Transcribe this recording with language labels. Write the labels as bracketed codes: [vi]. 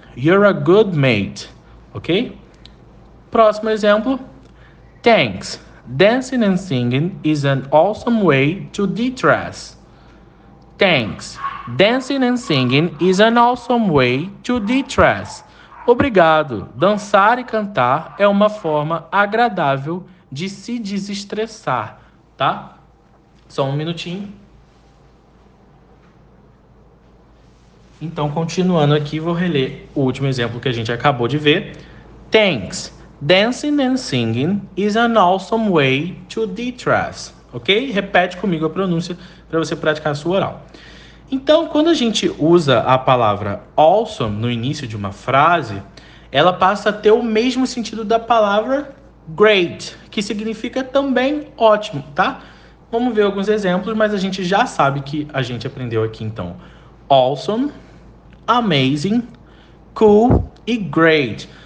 [en] You're a good mate. Ok? [pt] Próximo exemplo. [en] Thanks. Dancing and singing is an awesome way to de-stress. Thanks. Dancing and singing is an awesome way to de-stress. [pt] Obrigado. Dançar e cantar é uma forma agradável de se desestressar, tá? Só um minutinho. Então, continuando aqui, vou reler o último exemplo que a gente acabou de ver. [en] Thanks. Dancing and singing is an awesome way to de-stress. Ok? [pt] Repete comigo a pronúncia para você praticar a sua oral. Então, quando a gente usa a palavra awesome no início de uma frase, ela passa a ter o mesmo sentido da palavra great, que significa também ótimo, tá? Vamos ver alguns exemplos, mas a gente já sabe que a gente aprendeu aqui então: awesome, amazing, cool e great.